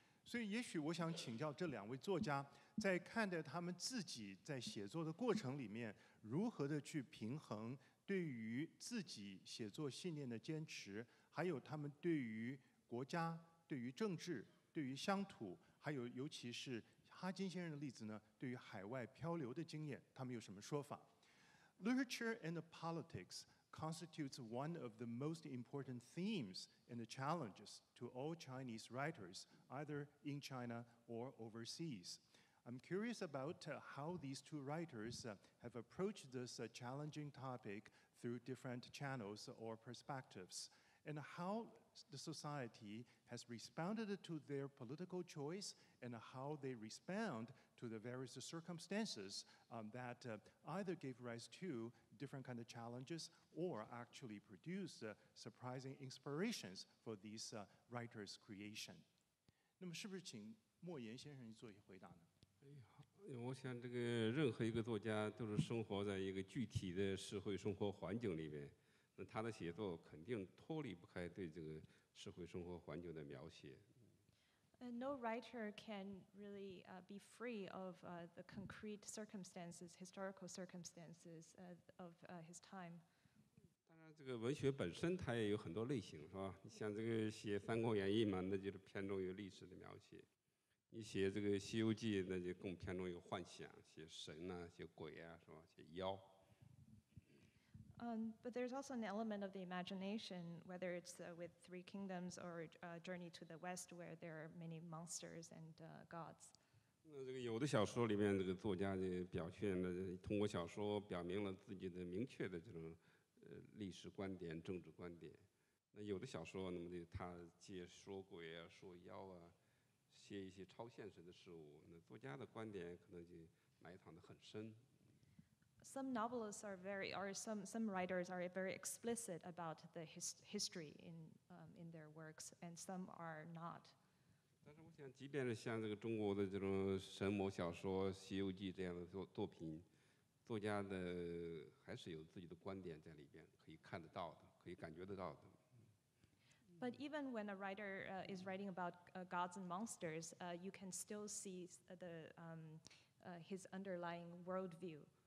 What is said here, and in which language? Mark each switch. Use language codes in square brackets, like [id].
[zh] 所以也许我想请教这两位作家，在看待他们自己在写作的过程里面，如何的去平衡对于自己写作信念的坚持，还有他们对于国家、对于政治、对于乡土，还有尤其是哈金先生的例子呢，对于海外漂流的经验，他们有什么说法 ？ [en] Literature and politics. Constitutes one of the most important themes and the challenges to all Chinese writers, either in China or overseas. I'm curious about how these two writers have approached this challenging topic through different channels or perspectives, and how the society has responded to their political choice and how they respond to the various circumstances that either gave rise to different kind of challenges or actually produced surprising inspirations for these writers' creation. [zh] 那么是不是请莫言先生做一回答呢？我想这个任何一个作家都是生活在一个具体的社会生活环境里面，那他的写作肯定脱离不开对这个社会生活环境的描写。 [en] No writer can really be free of the concrete circumstances, historical circumstances of his time. [zh] 当然，这个文学本身它也有很多类型，是吧？像这个写《三国演义》嘛，那就是偏重于历史的描写；你写这个《西游记》，那就更偏重于幻想，写神呐、写鬼啊，是吧？写妖。 [en] But there's also an element of the imagination, whether it's with Three Kingdoms or Journey to the West, where there are many monsters and gods. [zh] 那这个有的小说里面，这个作家就表现了，通过小说表明了自己的明确的这种历史观点、政治观点。那有的小说，那么就他借说鬼啊、说妖啊，写一些超现实的事物。那作家的观点可能就埋藏得很深。 [en] Some novelists are very, or some writers are very explicit about the history in their works, and some are not. [zh] 但是我想，即便是像这个中国的这种神魔小说《西游记》这样的作品，作家的还是有自己的观点在里边，可以看得到的，可以感觉得到的。 [en] But even when a writer is writing about gods and monsters, you can still see the his underlying worldview.